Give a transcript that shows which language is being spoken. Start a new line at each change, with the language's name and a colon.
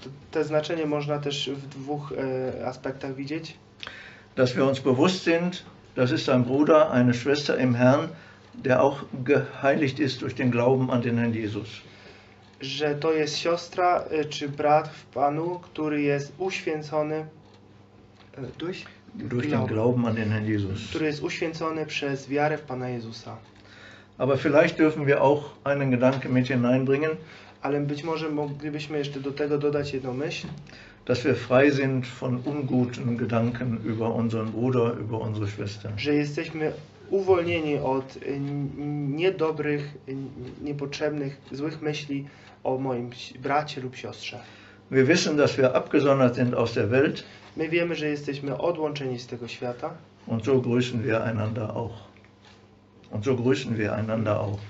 Polish: To znaczenie można też w dwóch aspektach widzieć.
German: Dass wir uns bewusst sind, das ist ein Bruder, eine Schwester im Herrn, der auch geheiligt ist durch den Glauben an den Herrn Jesus.
Polish: Że to jest siostra czy brat w Panu, który jest uświęcony durch
German: durch den Glauben an den Herrn Jesus.
Polish: Który jest uświęcony przez wiarę w Pana Jezusa.
German: Aber vielleicht dürfen wir auch einen Gedanken mit hineinbringen,
Polish: ale być może moglibyśmy jeszcze do tego dodać jedną myśl,
German: dass wir frei sind von unguten Gedanken über unseren Bruder, über unsere Schwester.
Polish: Że jesteśmy uwolnieni od niedobrych, niepotrzebnych, złych myśli o moim bracie lub siostrze.
German: Wir wissen, dass wir abgesondert sind aus der Welt.
Polish: My wiemy, że jesteśmy odłączeni z tego świata.
German: Und so grüßen wir einander auch. Und so grüßen wir einander auch.